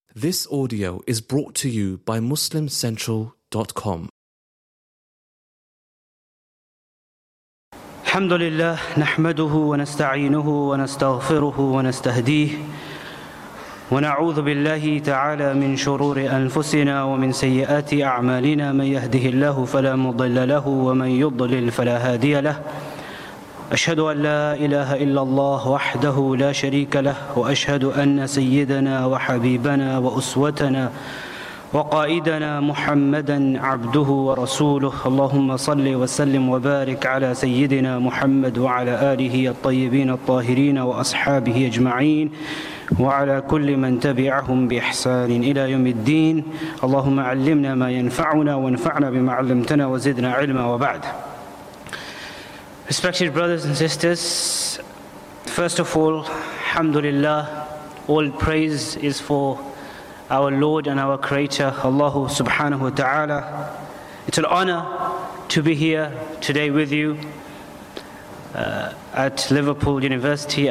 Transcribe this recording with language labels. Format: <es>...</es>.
<en>This audio is brought to you by MuslimCentral.com.</en> <ar>الحمد لله نحمده ونستعينه ونستغفره ونستهديه ونعوذ بالله تعالى من شرور أنفسنا ومن سيئات أعمالنا من يهده الله فلا مضل له ومن يضلل فلا هادي له أشهد أن لا إله إلا الله وحده لا شريك له وأشهد أن سيدنا وحبيبنا وأسوتنا وقائدنا محمدًا عبده ورسوله اللهم صل وسلم وبارك على سيدنا محمد وعلى آله الطيبين الطاهرين وأصحابه أجمعين وعلى كل من تبعهم بإحسان إلى يوم الدين اللهم علمنا ما ينفعنا وانفعنا بما علمتنا وزدنا علما وبعد.</ar> <en>Respected brothers and sisters, first of all, alhamdulillah, all praise is for our Lord and our Creator, Allah subhanahu wa ta'ala. It's an honor to be here today with you at Liverpool University.</en>